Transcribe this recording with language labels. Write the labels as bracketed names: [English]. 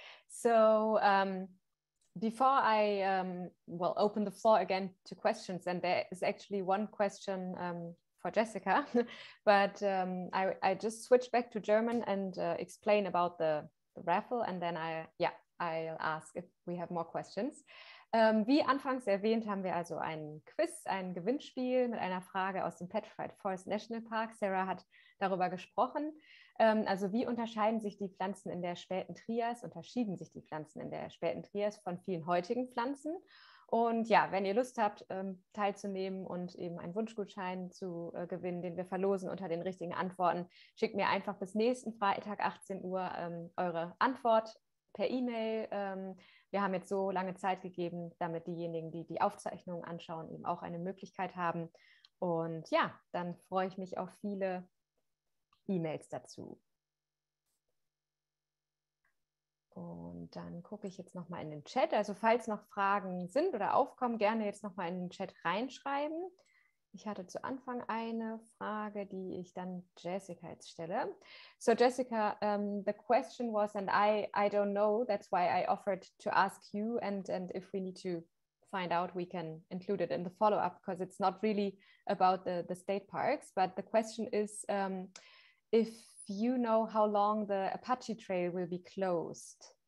[English] So before I will open the floor again to questions, and there is actually one question for Jessica, but I just switch back to German and explain about the raffle, and then I'll ask if we have more questions. [German] Wie anfangs erwähnt, haben wir also ein Quiz, ein Gewinnspiel mit einer Frage aus dem Petrified Forest National Park. Sarah hat darüber gesprochen. Also wie unterscheiden sich die Pflanzen in der späten Trias, unterschieden sich die Pflanzen in der späten Trias von vielen heutigen Pflanzen? Und ja, wenn ihr Lust habt, teilzunehmen und eben einen Wunschgutschein zu gewinnen, den wir verlosen unter den richtigen Antworten, schickt mir einfach bis nächsten Freitag, 18 Uhr, eure Antwort per E-Mail. Wir haben jetzt so lange Zeit gegeben, damit diejenigen, die die Aufzeichnungen anschauen, eben auch eine Möglichkeit haben. Und ja, dann freue ich mich auf viele E-Mails dazu. Und dann gucke ich jetzt nochmal in den Chat. Also falls noch Fragen sind oder aufkommen, gerne jetzt nochmal in den Chat reinschreiben. Ich hatte zu Anfang eine Frage, die ich dann Jessica jetzt stelle. [English] So Jessica, the question was, and I don't know, that's why I offered to ask you, and if we need to find out, we can include it in the follow-up, because it's not really about the state parks, but the question is, if you know how long the Apache Trail will be closed.